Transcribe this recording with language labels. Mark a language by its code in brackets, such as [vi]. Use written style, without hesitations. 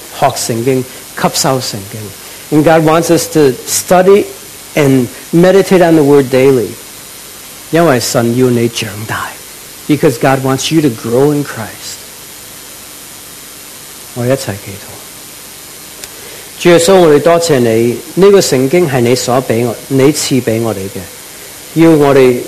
[zh] 神要我们天天去学圣经，吸收圣经。 [en] And God wants us to study and meditate on the word daily. [zh] 因为神要你长大。 [en] Because God wants you to grow in Christ. [zh] 我一起祈祷。主耶稣，我们多谢你，这个圣经是你赐给我们的。